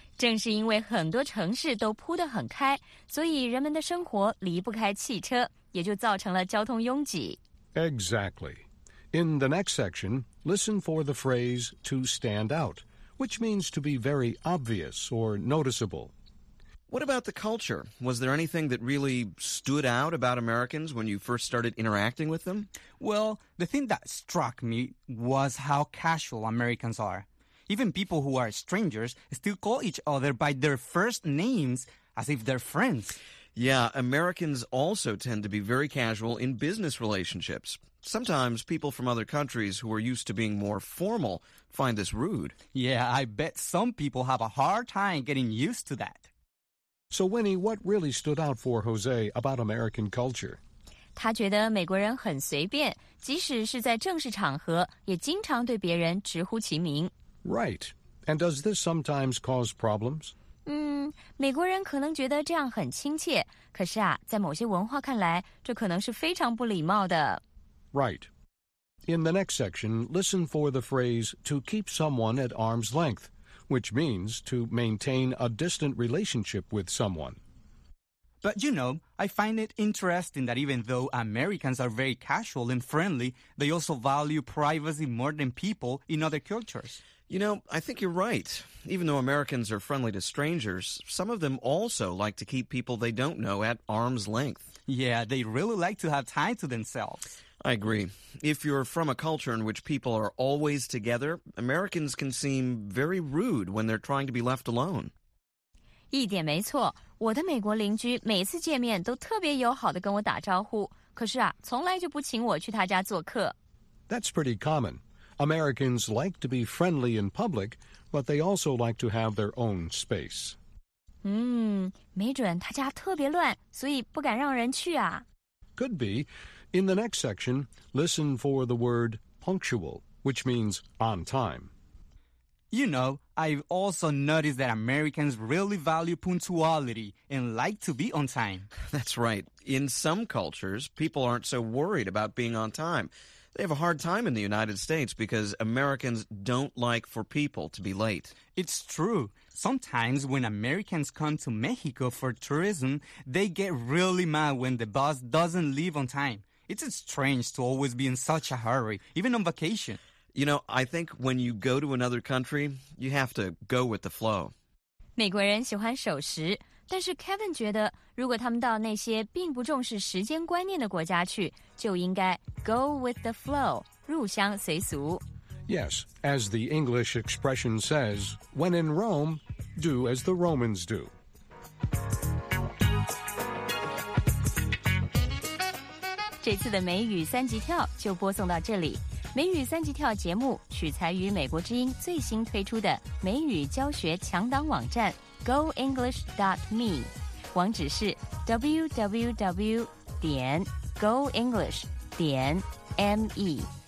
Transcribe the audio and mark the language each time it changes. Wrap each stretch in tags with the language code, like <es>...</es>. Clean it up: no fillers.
<zh>正是因为很多城市都铺得很开，所以人们的生活离不开汽车，也就造成了交通拥挤。</zh> <en>Exactly. In the next section, listen for the phrase to stand out, which means to be very obvious or noticeable. What about the culture? Was there anything that really stood out about Americans when you first started interacting with them? Well, the thing that struck me was how casual Americans are. Even people who are strangers still call each other by their first names as if they're friends. Yeah, Americans also tend to be very casual in business relationships. Sometimes people from other countries who are used to being more formal find this rude. Yeah, I bet some people have a hard time getting used to that. So, Winnie, what really stood out for Jose about American culture?</en> <zh>他觉得美国人很随便，即使是在正式场合，也经常对别人直呼其名。</zh> <en>Right. And does this sometimes cause problems?</en> <zh>美国人可能觉得这样很亲切，可是啊，在某些文化看来，这可能是非常不礼貌的。</zh> <en>Right. In the next section, listen for the phrase to keep someone at arm's length. Which means to maintain a distant relationship with someone. But you know, I find it interesting that even though Americans are very casual and friendly, they also value privacy more than people in other cultures. You know, I think you're right. Even though Americans are friendly to strangers, some of them also like to keep people they don't know at arm's length. Yeah, they really like to have time to themselves. I agree. If you're from a culture in which people are always together, Americans can seem very rude when they're trying to be left alone.</en> <zh>一点没错，我的美国邻居每次见面都特别友好地跟我打招呼，可是啊，从来就不请我去他家做客。</zh> <en>That's pretty common. Americans like to be friendly in public, but they also like to have their own space.</en> <zh>没准他家特别乱，所以不敢让人去啊。</zh> <en>Could be. In the next section, listen for the word punctual, which means on time. You know, I've also noticed that Americans really value punctuality and like to be on time. That's right. In some cultures, people aren't so worried about being on time. They have a hard time in the United States because Americans don't like for people to be late. It's true. Sometimes when Americans come to Mexico for tourism, they get really mad when the bus doesn't leave on time. It's strange to always be in such a hurry, even on vacation. You know, I think when you go to another country, you have to go with the flow.</en> <zh>美国人喜欢守时，但是 Kevin 觉得，如果他们到那些并不重视时间观念的国家去，就应该</zh> <en>go with the flow,</en> <zh>入乡随俗。</zh> <en>Yes, as the English expression says, when in Rome, do as the Romans do.</en> <zh>这次的美语三级跳就播送到这里。美语三级跳节目取材于美国之音最新推出的美语教学强档网站 goenglish.me， 网址是 www.goenglish.me。</zh>